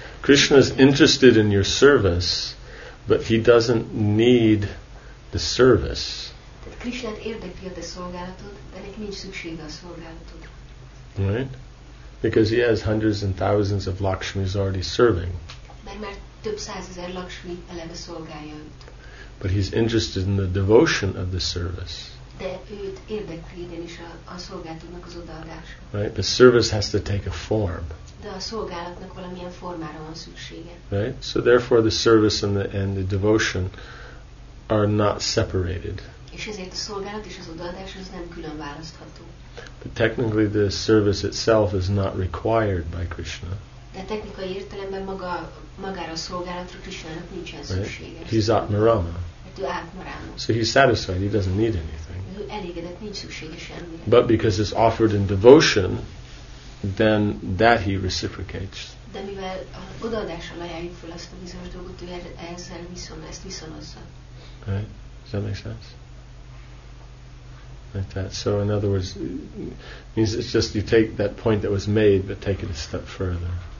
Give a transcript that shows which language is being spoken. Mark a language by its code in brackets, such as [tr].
[en] Krishna is interested in your service, but he doesn't need the service. Right? Because he has hundreds and thousands of Lakshmis already serving. [hu] Több százezer Lakshmi eleve szolgálja őt. [en] But he's interested in the devotion of the service. [hu] De őt érdekli igenis a szolgálatunknak az odaadása. [en] Right? The service has to take a form. [hu] De a szolgálatnak valamilyen formára van szüksége. [en] Right? So therefore the service and the devotion are not separated. [hu] És ezért a szolgálat és az odaadás az nem külön választható. [en] But technically the service itself is not required by Krishna. [hu] De technikai értelemben magára a szolgálatra Krishnának nincsen szüksége. [en] Right. He's Atmarama. [hu] Hát ő Atmarama. [en] So he's satisfied, he doesn't need anything. [hu] Ő elégedett, nincs szüksége semmire. [en] But because it's offered in devotion, then that he reciprocates. [hu] De mivel odaadással ajánljuk fel azt a bizonyos dolgot, ő ezzel ezt viszonozza. [en] Right. Does that make sense? Like that. So in other words, means it's just you take that point that was made, but take it a step further.